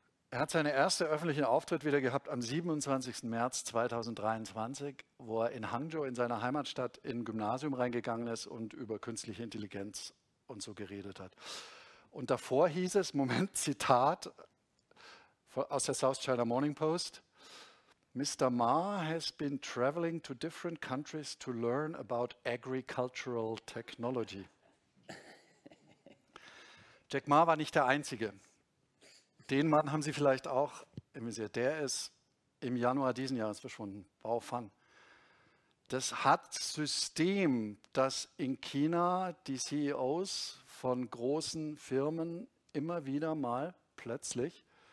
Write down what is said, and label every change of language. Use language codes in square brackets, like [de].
[de] Er hat seinen ersten öffentlichen Auftritt wieder gehabt am 27. März 2023, wo er in Hangzhou, in seiner Heimatstadt, in ein Gymnasium reingegangen ist und über künstliche Intelligenz und so geredet hat. Und davor hieß es, Moment, Zitat aus der South China Morning Post, Mr. [en] Ma has been traveling to different countries to learn about agricultural technology. [de] Jack Ma war nicht der Einzige. Den Mann haben Sie vielleicht auch im Visier. Der ist im Januar diesen Jahres verschwunden, Bao Fan. Das hat System, das in China die CEOs von großen Firmen immer wieder mal plötzlich